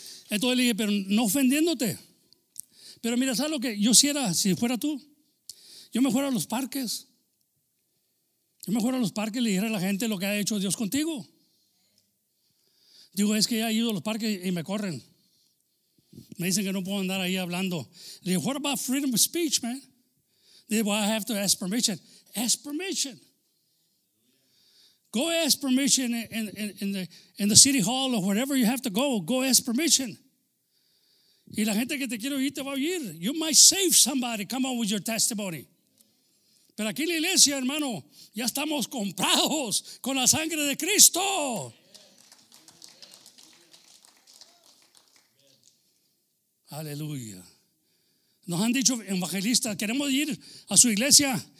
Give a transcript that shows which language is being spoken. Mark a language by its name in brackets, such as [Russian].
[Spanish] Entonces le dije, pero no ofendiéndote. Pero mira, ¿sabes lo que yo hiciera si fuera tú? Yo me fuera a los parques. Yo me fuera a los parques y le dijera a la gente lo que ha hecho Dios contigo. Digo, es que ya he ido a los parques y me corren. Me dicen que no puedo andar ahí hablando. Le digo, [English] what about freedom of speech, man? They say, well, I have to ask permission. Ask permission. Go ask permission in the city hall or wherever you have to go. Go ask permission. [Spanish] Y la gente que te quiere oír te va a oír. [English] You might save somebody. Come on with your testimony. [Spanish] Pero aquí en la iglesia, hermano, ya estamos comprados con la sangre de Cristo. Aleluya. Nos han dicho evangelistas, queremos ir a su iglesia.